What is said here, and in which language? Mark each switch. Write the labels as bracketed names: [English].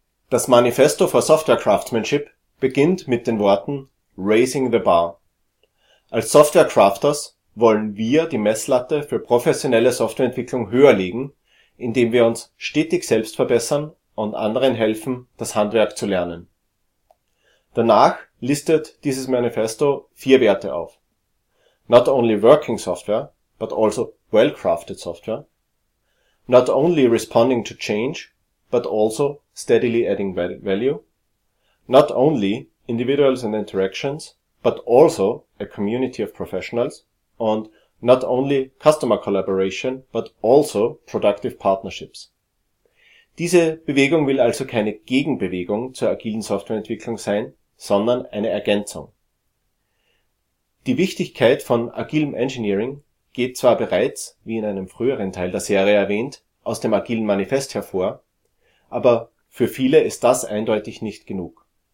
[German] Das Manifesto for Software Craftsmanship beginnt mit den Worten [English] raising the bar. [German] Als Software Crafters wollen wir die Messlatte für professionelle Softwareentwicklung höher legen, indem wir uns stetig selbst verbessern und anderen helfen, das Handwerk zu lernen. Danach listet dieses Manifesto 4 Werte auf. [English] Not only working software, but also well-crafted software. Not only responding to change, but also steadily adding value. Not only individuals and interactions, but also a community of professionals. And not only customer collaboration, but also productive partnerships. [German] Diese Bewegung will also keine Gegenbewegung zur agilen Softwareentwicklung sein, sondern eine Ergänzung. Die Wichtigkeit von agilem Engineering geht zwar bereits, wie in einem früheren Teil der Serie erwähnt, aus dem agilen Manifest hervor, aber für viele ist das eindeutig nicht genug.